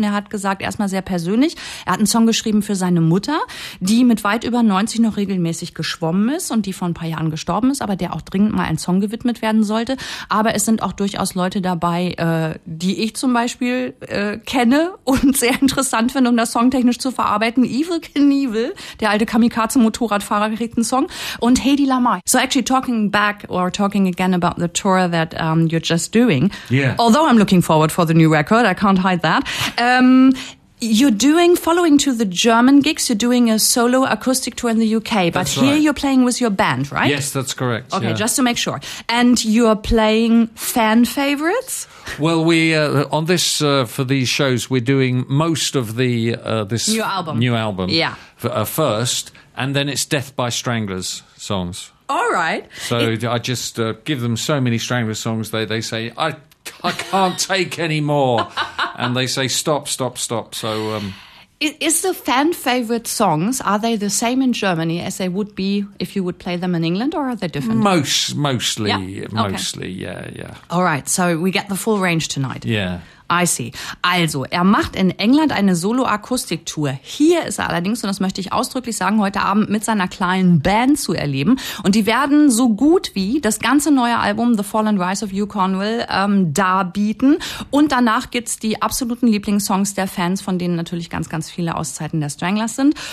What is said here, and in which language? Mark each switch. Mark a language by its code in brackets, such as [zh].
[de] Und er hat gesagt, erstmal sehr persönlich, er hat einen Song geschrieben für seine Mutter, die mit weit über 90 noch regelmäßig geschwommen ist und die vor ein paar Jahren gestorben ist, aber der auch dringend mal ein Song gewidmet werden sollte. Aber es sind auch durchaus Leute dabei, die ich zum Beispiel kenne und sehr interessant finde, um das songtechnisch zu verarbeiten. Evel Knievel, der alte Kamikaze-Motorradfahrer, kriegt einen Song. Und Hedy Lamarr. [en] So actually talking back, or talking again about the tour that you're just doing. Yeah. Although I'm looking forward for the new record, I can't hide that. You're doing, following to the German gigs, you're doing a solo acoustic tour in the UK. That's but here right. You're playing with your band, right? Yes, that's correct. Okay, yeah. Just to make sure. And you're playing fan favorites? Well, we on this, for these shows, we're doing most of the this new album. New album. Yeah. First, and then it's Death by Stranglers songs. All right. So I just give them so many Stranglers songs, they say, I can't take any more. And they say, stop, stop, stop. So Is the fan favorite songs, are they the same in Germany as they would be if you would play them in England, or are they different? Mostly, yeah. All right, so we get the full range tonight. Yeah. I see. [de] Also, er macht in England eine Solo-Akustik-Tour. Hier ist er allerdings, und das möchte ich ausdrücklich sagen, heute Abend mit seiner kleinen Band zu erleben. Und die werden so gut wie das ganze neue Album The Fall and Rise of Hugh Cornwell darbieten. Und danach gibt's die absoluten Lieblingssongs der Fans, von denen natürlich ganz, ganz viele aus Zeiten der Stranglers sind.